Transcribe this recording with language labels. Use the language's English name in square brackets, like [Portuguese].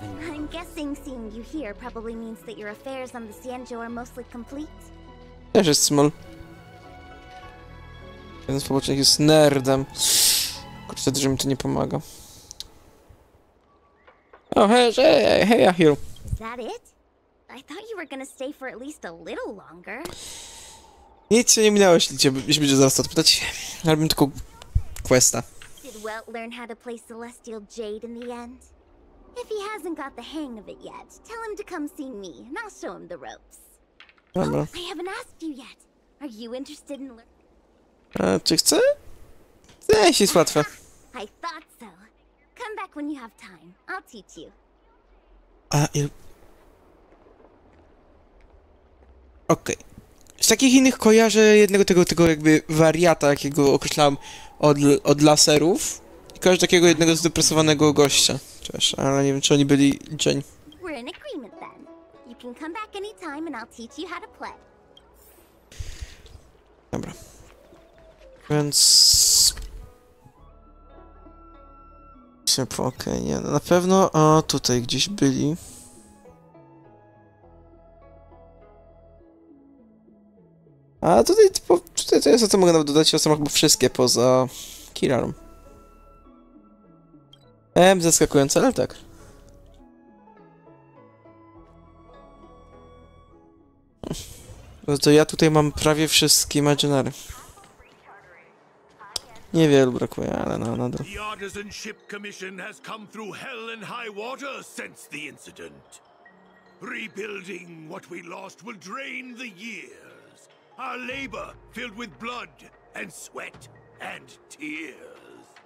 [English] I'm guessing seeing you here probably means that your affairs on the Sienjo are mostly complete. [Polish] Też jest small. Jeden z pobocznych jest nerdem. Kurczę, że mi to nie pomaga. O, hej, Ahiru. [English] Is that it? I thought you were gonna stay for at least a little longer. [Polish] Nic się nie minęło, jeśli będzie zaraz to odpytać. Robimy tylko questa. [English] Did Welt learn how to play Celestial Jade in the end? If he hasn't got the hang of it yet, tell him to come see me, and I'll show him the ropes. [Polish] Dobra. [English] I haven't asked you yet. Are you interested in learning? [Polish] Czy chcę? Jest łatwe. [English] I thought so. Come back when you have time. I'll teach you. [Polish] Okej. Z takich innych kojarzę jednego tego jakby wariata, jakiego określałem od laserów. I kojarzę takiego jednego zdepresowanego gościa. Cześć, ale nie wiem, czy oni byli dzień. [English] We're in agreement then. You can come back anytime and I'll teach you how to play. [Polish] Dobra. Więc... Okej, nie, na pewno tutaj gdzieś byli. A tutaj, typu, tutaj to jest, co mogę nawet dodać, są chyba wszystkie poza Kirarą. Zaskakujące, ale tak. No to ja tutaj mam prawie wszystkie imaginary. Niewielu brakuje, ale no, nadal. [English] The Artisan Ship Commission has come through hell and high water since the incident. Rebuilding what we lost will drain the years. Our labor filled with blood and sweat and tears.